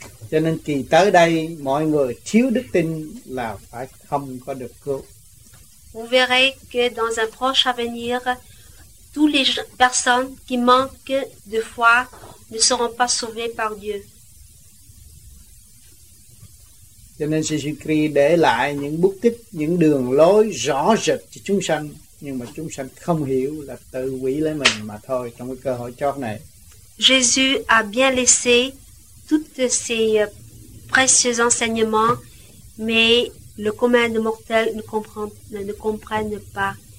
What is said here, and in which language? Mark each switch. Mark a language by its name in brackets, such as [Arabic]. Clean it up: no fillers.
[Vietnamese] Cho nên kỳ tới đây mọi người thiếu đức tin là phải không có được cứu. [French] Vous verrez que dans un proche avenir, Toutes les personnes qui manquent de foi ne seront pas sauvées par Dieu. [Vietnamese] Cho nên Jésus-Christ để lại những bút tích, những đường lối rõ rệt cho chúng sanh, nhưng mà chúng sanh không hiểu là tự hủy lấy mình mà thôi trong cái cơ hội chót này. [French] Jésus a bien laissé toutes ces précieux enseignements, mais le commun des mortels ne comprennent pas.